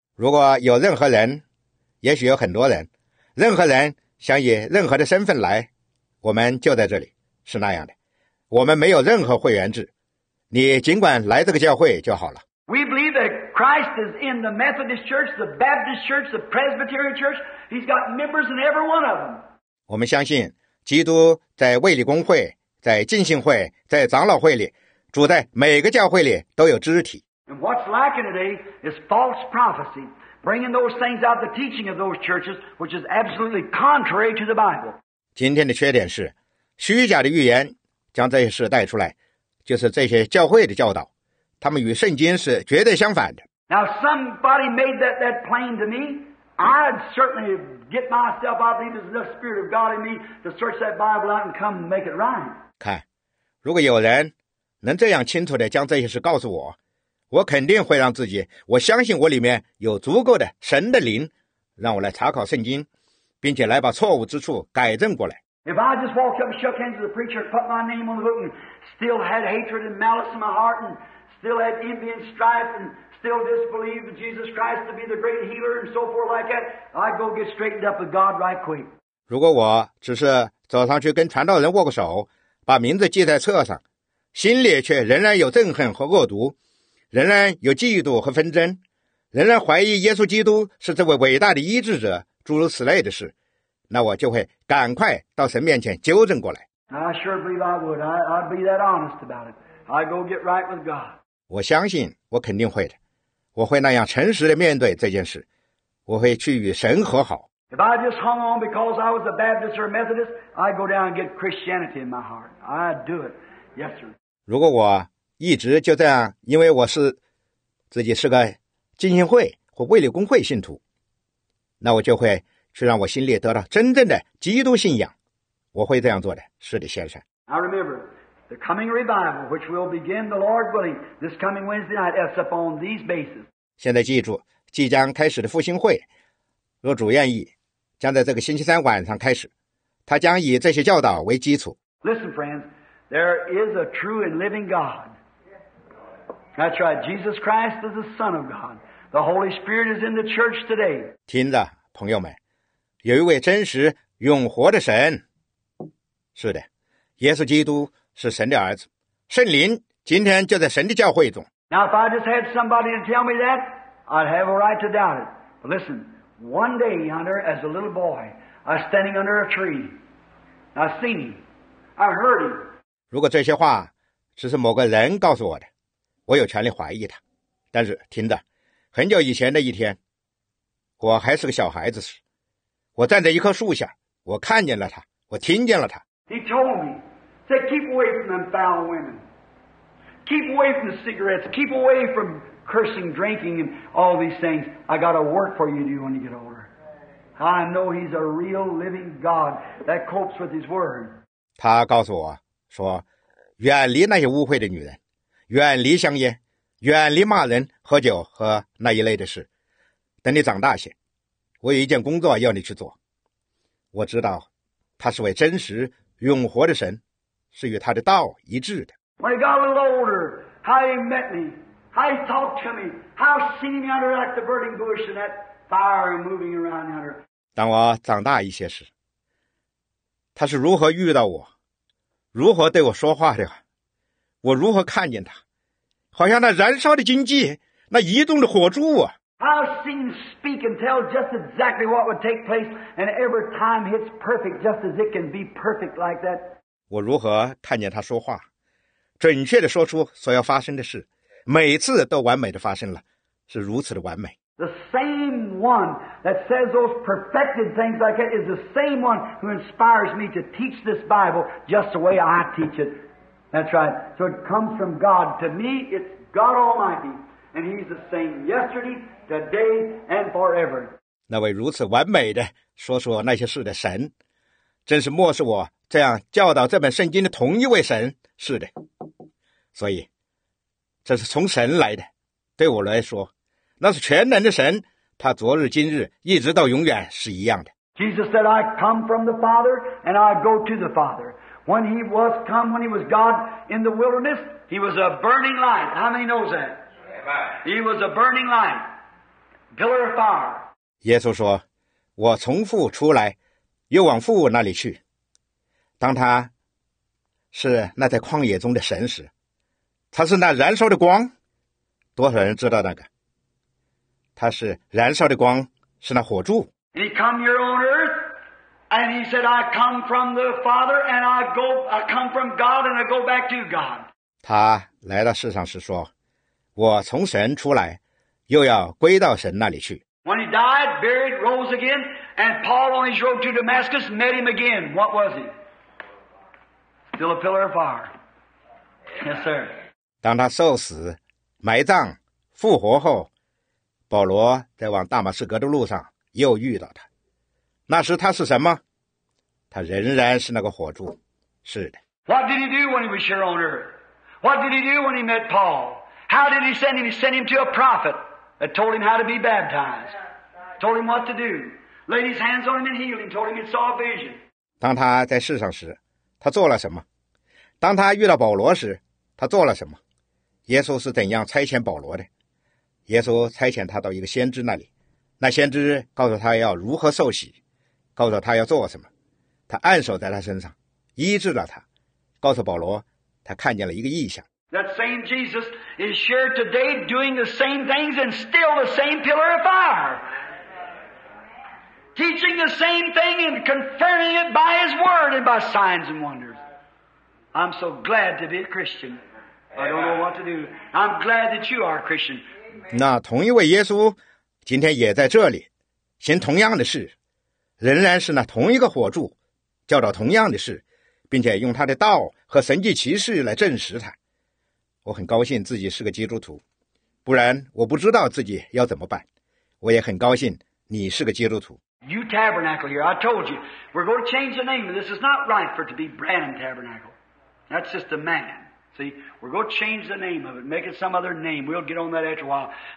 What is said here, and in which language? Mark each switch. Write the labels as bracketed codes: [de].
[zh] 如果有任何人，也许有很多人，任何人想以任何的身份来，我们就在这里，是那样的。我们没有任何会员制，你尽管来这个教会就好了。 [en] We believe that Christ is in the Methodist Church, the Baptist Church, the Presbyterian Church. He's got members in every one of them. [zh] 我们相信基督在卫理公会、在浸信会、在长老会里，主在每个教会里都有肢体。 [en] And what's lacking today is false prophecy, bringing those things out the teaching of those churches, which is absolutely contrary to the Bible. [zh] 今天的缺点是虚假的预言。将这些事带出来，就是这些教会的教导，他们与圣经是绝对相反的。 [en] Now somebody made that plain to me. I'd certainly get myself out of the spirit of God in me to search that Bible out and come make it right. [zh] 看，如果有人能这样清楚地将这些事告诉我，我肯定会让自己，我相信我里面有足够的神的灵，让我来查考圣经，并且来把错误之处改正过来。 [en] If I just walked up and shook hands with the preacher and put my name on the book and still had hatred and malice in my heart and still had envy and strife and still disbelieved in Jesus Christ to be the great healer and so forth like that, I'd go get straightened up with God right quick. [zh] 如果我只是走上去跟传道人握个手，把名字记在册上，心里却仍然有憎恨和恶毒，仍然有嫉妒和纷争，仍然怀疑耶稣基督是这位伟大的医治者，诸如此类的事。那我就会赶快到神面前纠正过来。 [en] I sure believe I would. I'd be that honest about it. I'd go get right with God. [zh] 我相信我肯定会的。我会那样诚实地面对这件事。我会去与神和好。 [en] If I just hung on because I was a Baptist or a Methodist, I'd go down and get Christianity in my heart. I'd do it. Yes, sir. [zh] 如果我一直就这样，因为我是自己是个浸信会或卫理公会信徒，那我就会去让我心里得到真正的基督信仰，我会这样做的。是的，先生。 [en] I remember the coming revival, which will begin the Lord willing this coming Wednesday night, is upon these bases. [zh] 现在记住，即将开始的复兴会，若主愿意，将在这个星期三晚上开始。他将以这些教导为基础。 [en] Listen, friends, there is a true and living God. That's right. Jesus Christ is the Son of God. The Holy Spirit is in the church today. [zh] 听着，朋友们。有一位真实永活的神，是的，耶稣基督是神的儿子，圣灵今天就在神的教会中。 [en] Now if I just had somebody to tell me that, I'd have a right to doubt it. But listen, one day yonder, as a little boy, I was standing under a tree. I seen him. I heard him. [zh] 如果这些话只是某个人告诉我的，我有权利怀疑他。但是听着，很久以前的一天，我还是个小孩子时。我站在一棵树下，我看见了他，我听见了他。 [en] He told me, said, keep away from them foul women. Keep away from the cigarettes. Keep away from cursing, drinking, and all these things. I got a work for you to do when you get older. I know he's a real living God that copes with his word. [zh] 他告诉我说，远离那些污秽的女人，远离香烟，远离骂人、喝酒和那一类的事。等你长大些。我有一件工作要你去做，我知道他是位真实永活的神，是与他的道一致的。 [en] When he got a little older, how he met me, how he talked to me, how he seen me under like the burning bush and that fire moving around under. [zh] 当我长大一些时，他是如何遇到我，如何对我说话的，我如何看见他，好像那燃烧的荆棘，那移动的火柱啊。 [en] I've seen speak and tell just exactly what would take place, and every time hits perfect, just as it can be perfect like that. [zh] 我如何看见他说话，准确地说出所要发生的事，每次都完美地发生了，是如此的完美。 [en] The same one that says those perfected things like that is the same one who inspires me to teach this Bible just the way I teach it. That's right. So it comes from God. To me, it's God Almighty, and He's the same yesterday. Today and forever. [zh] 那位如此完美的说出那些事的神，真是漠视我这样教导这本圣经的同一位神。是的，所以这是从神来的，对我来说，那是全能的神，他昨日今日一直到永远是一样的。 [en] Jesus said, "I come from the Father, and I go to the Father." When He was come, when He was God in the wilderness, He was a burning light. How many knows that? He was a burning light. Pillar of fire. [zh] 耶稣说，我从父出来，又往父那里去。当他是那在旷野中的神时，他是那燃烧的光。多少人知道那个？他是燃烧的光，是那火柱。 [en] He come here on earth, and he said, "I come from the Father, and I go. I come from God, and I go back to God." [zh] 他来到世上时说，我从神出来，又要归到神那里去。 [en] When he died, buried, rose again, and Paul on his road to Damascus met him again. What was he? Still a pillar of fire. Yes, sir. [zh] 当他受死、埋葬、复活后，保罗在往大马士革的路上又遇到他。那时他是什么？他仍然是那个火柱。是的。 [en] What did he do when he was here on earth? What did he do when he met Paul? How did he send him? He sent him to a prophet. That told him how to be baptized. Told him what to do. Laid his hands on him and healed him. Told him he saw a vision. [zh] 当他在世上时，他做了什么？当他遇到保罗时，他做了什么？耶稣是怎样差遣保罗的？耶稣差遣他到一个先知那里，那先知告诉他要如何受洗，告诉他要做什么。他按手在他身上，医治了他，告诉保罗，他看见了一个异象。 [en] That same Jesus is sure today doing the same things and still the same pillar of fire. Teaching the same thing and confirming it by His Word and by signs and wonders. I'm so glad to be a Christian. I don't know what to do. I'm glad that you are a Christian. [zh] 那同一位耶稣今天也在这里，行同样的事，仍然是那同一个火柱，教导同样的事，并且用他的道和神迹奇事来证实他。我很高兴自己是个基督徒，不然我不知道自己要怎么办。我也很高兴你是个基督徒。 [en] New Tabernacle here, I told you, we're going to change the name. This is not right for it to be Branham Tabernacle. That's just a man. See, we're going to change the name of it, make it some other name. We'll get on that after a while.